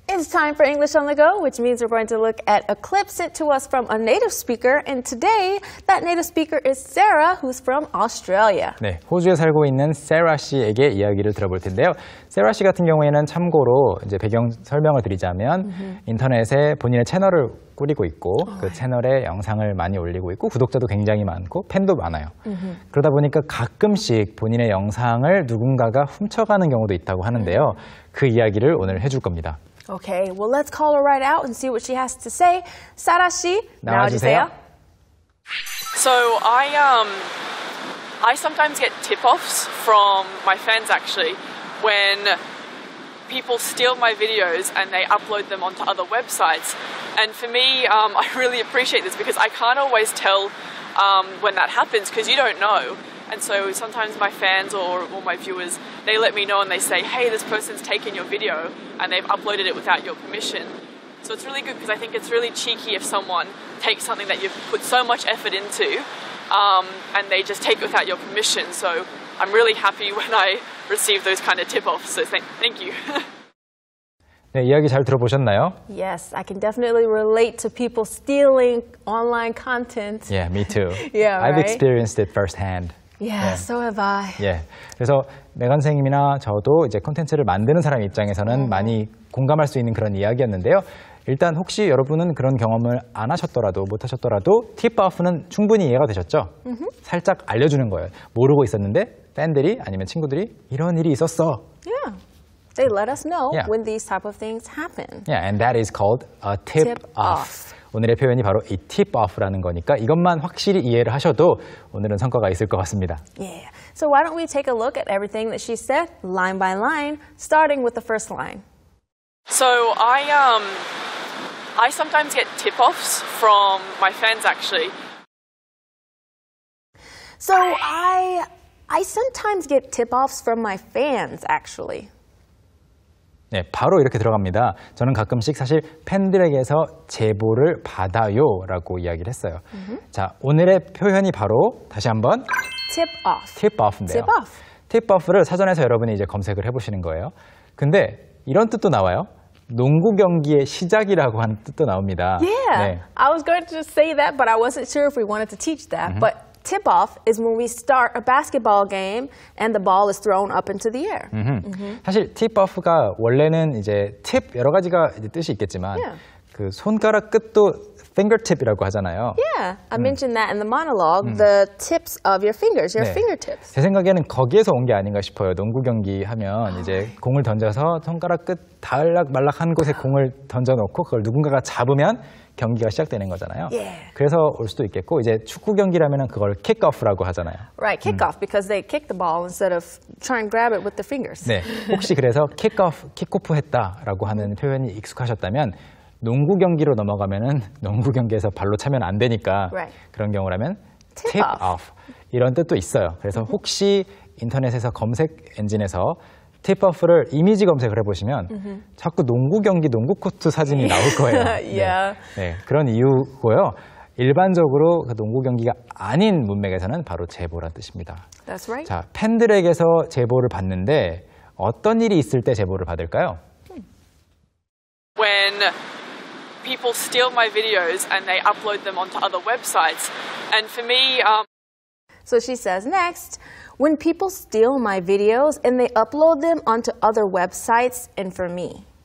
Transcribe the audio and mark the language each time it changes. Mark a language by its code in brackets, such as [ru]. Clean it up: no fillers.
[en] time for English on the Go, which means we're going to look at a clip sent to us from a native speaker. And today, that native speaker is Sarah, who's from Australia. [ko] 네, 호주에 살고 있는 Sarah 씨에게 이야기를 들어볼 텐데요. Sarah 씨 같은 경우에는 참고로 이제 배경 설명을 드리자면 인터넷에 본인의 채널을 꾸리고 있고 그 채널에 영상을 많이 올리고 있고 구독자도 굉장히 많고 팬도 많아요. 그러다 보니까 가끔씩 본인의 영상을 누군가가 훔쳐가는 경우도 있다고 하는데요. 그 이야기를 오늘 해줄 겁니다. [en] Okay, well let's call her right out and see what she has to say. [ko] Sarah 씨, 나와주세요. [en] So I sometimes get tip-offs from my fans actually when people steal my videos and they upload them onto other websites. And for me, I really appreciate this because I can't always tell when that happens because you don't know. And so sometimes my fans or my viewers, they let me know and they say, hey, this person's taken your video and they've uploaded it without your permission. So it's really good because I think it's really cheeky if someone takes something that you've put so much effort into and they just take it without your permission. So I'm really happy when I receive those kind of tip-offs. So thank you. [ko] 네, 이야기 잘 들어보셨나요? [en] Yes, I can definitely relate to people stealing online content. Yeah, me too. Yeah, I've experienced it firsthand. Yeah, yeah, so have I. Yeah. [ko] 그래서 메간 선생님이나 저도 이제 콘텐츠를 만드는 사람 입장에서는 많이 공감할 수 있는 그런 이야기였는데요. 일단 혹시 여러분은 그런 경험을 안 하셨더라도 못 하셨더라도 팁오프는 충분히 이해가 되셨죠? 살짝 알려주는 거예요. 모르고 있었는데 팬들이 아니면 친구들이 이런 일이 있었어. [en] Yeah. They let us know yeah. when these type of things happen. Yeah, and that is called a tip-off. [ko] 오늘의 표현이 바로 이 tip-off라는 거니까 이것만 확실히 이해를 하셔도 오늘은 성과가 있을 것 같습니다. [en] Yeah, so why don't we take a look at everything that she said line by line, starting with the first line. So I sometimes get tip-offs from my fans, actually. So I sometimes get tip-offs from my fans, actually. [ko] 네, 바로 이렇게 들어갑니다. 저는 가끔씩 사실 팬들에게서 제보를 받아요 라고 이야기를 했어요. 자, 오늘의 표현이 바로 다시 한번 [en] tip off. [ko] tip off인데요. [en] tip off. [ko] tip off를 사전에서 여러분이 이제 검색을 해보시는 거예요. 근데 이런 뜻도 나와요. 농구 경기의 시작이라고 하는 뜻도 나옵니다. [en] Yeah, 네. I was going to say that, but I wasn't sure if we wanted to teach that. But tip off is when we start a basketball game and the ball is thrown up into the air. [ko] 사실 tip off가 원래는 이제 tip 여러 가지가 이제 뜻이 있겠지만 그 손가락 끝도 fingertip이라고 하잖아요. [en] Yeah, I mentioned that in the monologue. The tips of your fingers, your 네. fingertips. [ko] 제 생각에는 거기에서 온 게 아닌가 싶어요. 농구 경기 하면 이제 공을 던져서 손가락 끝 달락 말락한 곳에 공을 던져놓고 그걸 누군가가 잡으면 경기가 시작되는 거잖아요. [en] Yeah. [ko] 그래서 올 수도 있겠고 이제 축구 경기라면은 그걸 킥오프라고 하잖아요. [en] Right, kickoff because they kick the ball instead of trying to grab it with the fingers. [ko] 네, 혹시 그래서 킥오프, 킥오프 했다라고 하는 표현이 익숙하셨다면 농구 경기로 넘어가면은 농구 경기에서 발로 차면 안 되니까 [en] right. [ko] 그런 경우라면 tip off 이런 뜻도 있어요. 그래서 혹시 인터넷에서 검색 엔진에서 tip-off를 이미지 검색을 해보시면 자꾸 농구 경기, 농구 코트 사진이 나올 거예요. 네. [en] Yeah. [ko] 네, 그런 이유고요. 일반적으로 그 농구 경기가 아닌 문맥에서는 바로 제보란 뜻입니다. [en] That's right. [ko] 자, 팬들에게서 제보를 받는데 어떤 일이 있을 때 제보를 받을까요? [en] When people steal my videos and they upload them onto other websites. And for me... So she says next... When people steal my videos and they upload them onto other websites, and for me.